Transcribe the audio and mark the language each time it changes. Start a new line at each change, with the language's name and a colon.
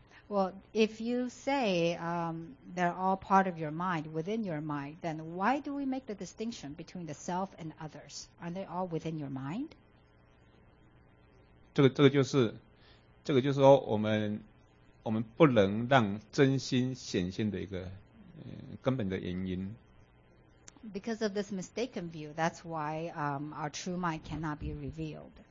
English: ？Well, if you say they're all part of your mind within your mind, then why do we make the distinction between the self and others? Aren't they all within your mind?
Chinese: 这个就是说我们不能让真心显现的一个根本的原因。
English: Because of this mistaken view, that's why our true mind cannot be revealed.